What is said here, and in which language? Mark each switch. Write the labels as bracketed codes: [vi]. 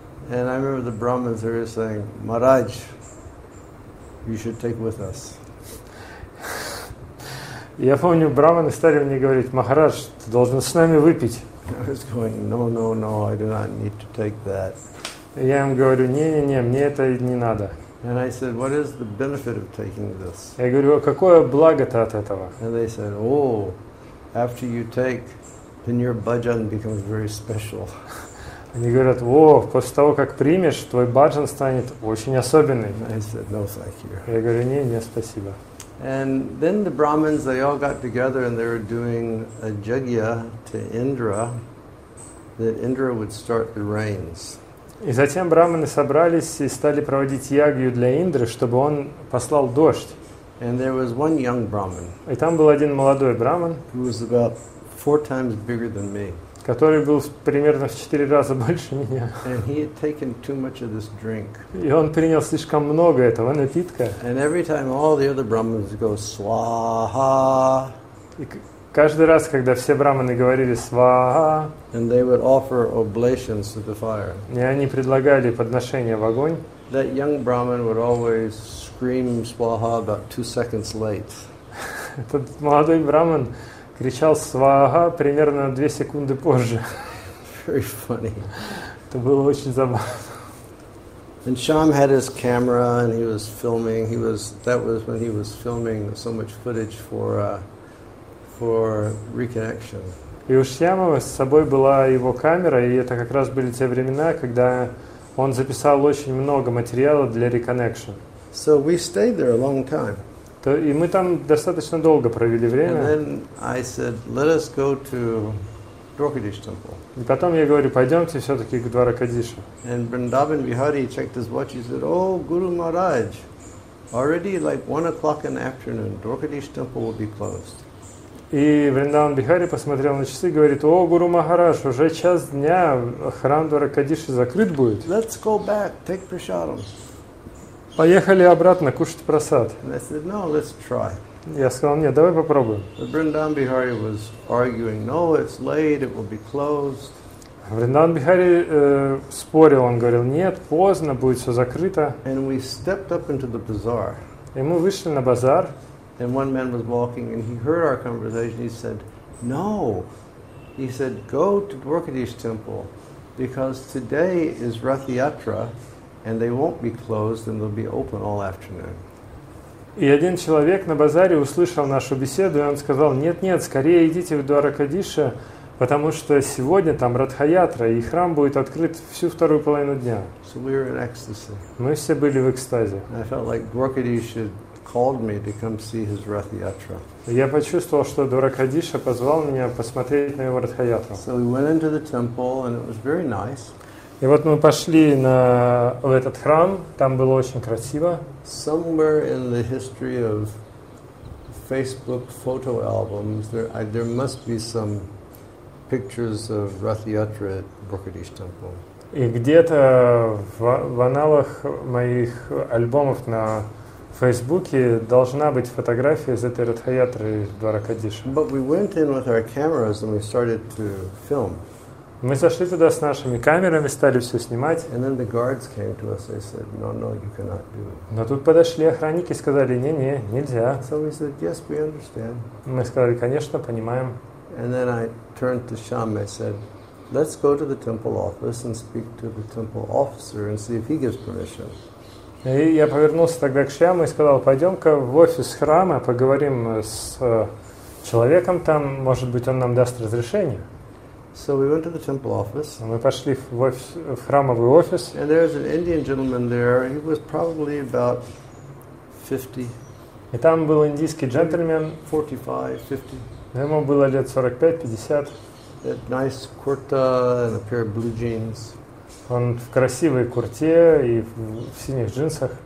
[en] And I remember the Brahmins were saying, Maharaj, you should take with us. [ru] Я помню, брахманы стали мне говорить: Махарадж, ты должен с нами выпить. [en] I was going, no, I do not need to take that. [ru] Я им говорю: не, мне это не надо. [en] And I said, what is the benefit of taking this? [ru] Я говорю: а какое благо-то от этого? [en] And they said, after you take, then your bhajan becomes very special. [ru] Они говорят: о, после того, как примешь, твой бхаджан станет очень особенный. [en] I said, no, thank you. [ru] Я говорю: не, спасибо. [en] And then the Brahmins, they all got together and they were doing a yajna to Indra, that Indra would start the rains. [ru] И затем брахманы собрались и стали проводить ягью для Индры, чтобы он послал дождь. [en] And there was one young Brahmin, [ru] и там был один молодой брахман, [en] who was about four times bigger than me, [ru] который был примерно в 4 раза больше меня. [en] And he had taken too much of this drink. [ru] И он принял слишком много этого напитка. [en] And every time all the other Brahmins go swaha. [ru] Каждый раз, когда все брахманы говорили сваха, [en] and they would offer oblations to the fire, [ru] и они предлагали подношения в огонь, [en] that young Brahmin would always scream swaha about 2 seconds late. [ru] Этот молодой брахман кричал сваха примерно 2 секунды позже. [en] Very funny. [ru] Это было очень забавно. [en] And Sham had his camera and he was filming. That was when he was filming so much footage for reconnection. [ru] И у Шьяма с собой была его камера, и это как раз были те времена, когда он записал очень много материала для reconnection. [en] So we stayed there a long time. [ru] То и мы там достаточно долго провели время. [en] And then I said, let us go to Dwarkadish temple. [ru] И потом я говорю, пойдемте все-таки к Дваракадиша. [en] And Vrindavan Vihari checked his watch. He said, oh, Guru Maharaj, already like 1 o'clock in the afternoon, Dwarkadish temple will be closed. [ru] И Вриндаван Бихари посмотрел на часы и говорит, о, Гуру Махарадж, уже час дня, храм Дваракадиши закрыт будет. [en] Let's go back, take prasadam. [ru] Поехали обратно кушать прасад. [en] And I said, no, let's try. [ru] Я сказал, нет, давай попробуем. [en] Вриндаван Бихари was arguing, no, it's late, it will be closed. [ru] Вриндаван Бихари спорил, он говорил, нет, поздно, будет все закрыто. [en] And we stepped up into the bazaar. [ru] И мы вышли на базар. [en] And one man was walking, and he heard our conversation. He said, "No," he said, "Go to Dwarkadish Temple, because today is Rath Yatra, and they won't be closed, and they'll be open all afternoon." [ru] И один человек на базаре услышал нашу беседу, и он сказал: "Нет, нет, скорее идите в Дваракадиша, потому что сегодня там Радхаятра, и храм будет открыт всю вторую половину дня." [en] So we were in ecstasy. [ru] Мы все были в экстазе. [en] I felt like Dwarkadish should. Called me to come see his Rath Yatra. [ru] Я почувствовал, что Дваракадиша позвал меня посмотреть на его Ратха Ятру. [en] So we went into the temple and it was very nice. [ru] И вот мы пошли в этот храм, там было очень красиво. [en] Somewhere in the history of Facebook photo albums, there must be some pictures of Rath Yatra at Dwarakadish temple. [ru] И где-то в аналах моих альбомов на в Фейсбуке должна быть фотография из этой Радхаятры в Дваракадиша. [en] But we went in with our cameras and we started to film. [ru] Мы зашли туда с нашими камерами, стали все снимать. [en] And then the guards came to us. They said, "No, no, you cannot do it." [ru] Но тут подошли охранники и сказали: "Не-не, нельзя." [en] So we said, "Yes, we understand." [ru] Мы сказали: "Конечно, понимаем." [en] And then I turned to Sham and said, "Let's go to the temple office and speak to the temple officer and see if he gives permission." [ru] И я повернулся тогда к Шьяме и сказал, пойдем-ка в офис храма, поговорим с человеком там, может быть, он нам даст разрешение. [en] So we went to the temple office. [ru] Мы пошли в храмовый офис. [en] And there was an Indian gentleman there, he was probably about 50. [ru] И там был индийский джентльмен. [en] 45, [ru] 50. Ему было лет 45-50. [en] That nice kurta and a pair of blue jeans. [ru] Он в красивой курте и в синих джинсах.